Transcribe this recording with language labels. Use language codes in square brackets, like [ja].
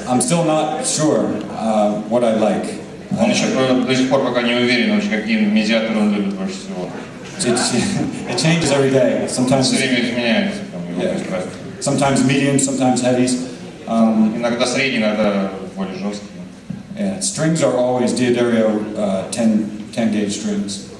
[en] I'm still not sure what I like. [ru] Он еще до сих пор пока не уверен, вообще каким медиатором он любит больше всего. [en] It changes every day. Sometimes it's medium, sometimes medium, sometimes heavy. [ru] Иногда средний, иногда более жесткий. [en] Yeah, strings are always D'Addario 10 gauge strings.